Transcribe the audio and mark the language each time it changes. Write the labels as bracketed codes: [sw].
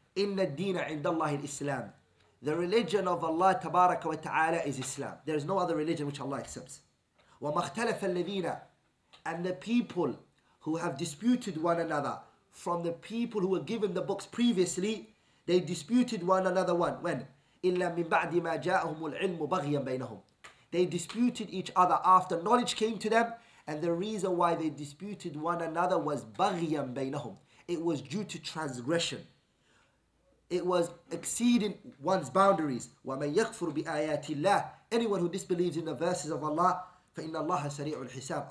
[ar] إن الدين عند الله الإسلام. [en] The religion of Allah تبارك وتعالى is Islam. There is no other religion which Allah accepts. [ar] وما اختلف الذين [en] and the people who have disputed one another from the people who were given the books previously, they disputed one another one. When? [ar] إلا من بعد ما جاءهم العلم بغيا بينهم. [en] They disputed each other after knowledge came to them, and the reason why they disputed one another was [ar] بغيا بينهم. [en] It was due to transgression. It was exceeding one's boundaries. [ar] وَمَنْ يَكْفُرْ بِآيَاتِ اللَّهِ. [en] Anyone who disbelieves in the verses of Allah, [ar] فَإِنَّ اللَّهَ سَرِيعُ الْحِسَابِ.